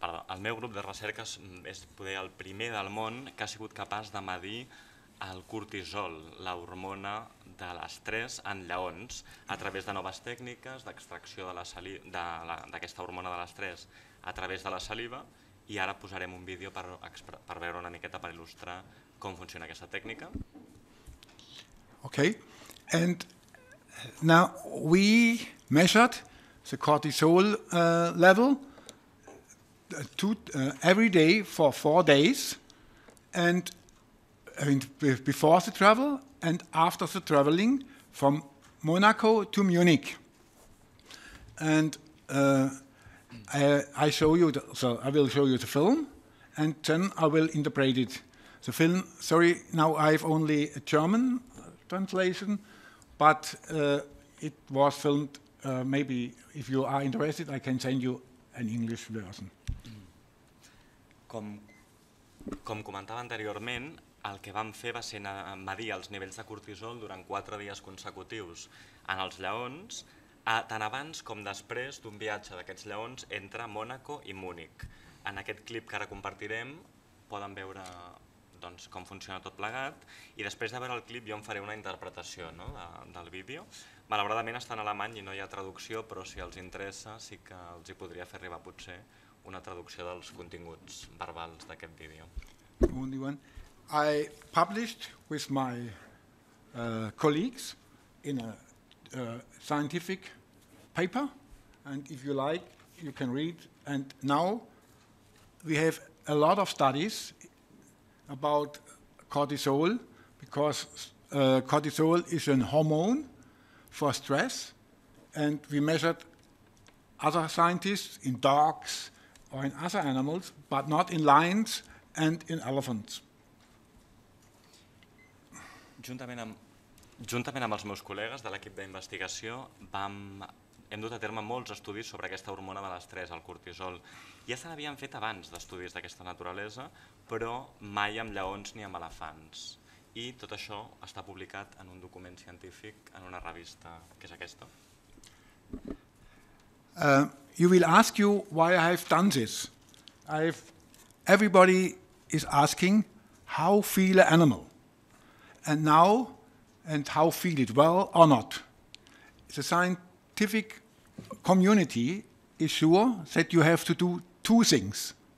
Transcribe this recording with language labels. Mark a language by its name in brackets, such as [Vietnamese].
[Catalan] El meu grup de recerca és poder el primer del món que ha sigut capaç de medir el cortisol, la hormona de l'estrès en lleons, a través de noves tècniques d'extracció d'aquesta hormona de l'estrès a través de la saliva, i ara posarem un vídeo per veure una miqueta, per il·lustrar com funciona aquesta tècnica. [English] Okay. And now we measured the cortisol level every day for 4 days, and before the travel and after the traveling from Monaco to Munich. And I will show you the film, and then I will interpret it. The film, sorry, now I have only a German translation, but it was filmed. Maybe if you are interested, I can send you an English version. [Catalan] Com comentava anteriorment, el que vam fer va ser medir els nivells de cortisol durant 4 dies consecutius en els lleons, tant abans com després d'un viatge d'aquests lleons entre Mònaco i Múnic. En aquest clip que ara compartirem poden veure doncs, com funciona tot plegat, i després de veure el clip jo em faré una interpretació no, del vídeo. Malauradament està en alemany i no hi ha traducció, però si els interessa sí que els hi podria fer arribar potser una traducció dels continguts verbals d'aquest vídeo. [English] Only one. I published with my colleagues in a scientific paper, and if you like, you can read. And now we have a lot of studies about cortisol, because cortisol is a hormone for stress, and we measured other scientists in dogs or in other animals, but not in lions and in elephants. [Catalan] Juntament amb els meus col·legues de l'equip d'investigació, hem dut a terme molts estudis sobre aquesta hormona de l'estrès, el cortisol. Ja se n'havien fet abans d'estudis d'aquesta naturalesa, però mai amb lleons ni amb elefants. I tot això està publicat en un document científic, en una revista, que és aquesta. [English] You will ask you why I have done this. Everybody is asking how feel an animal. And now, and how feel it, well or not. The scientific community is sure that you have to do two things.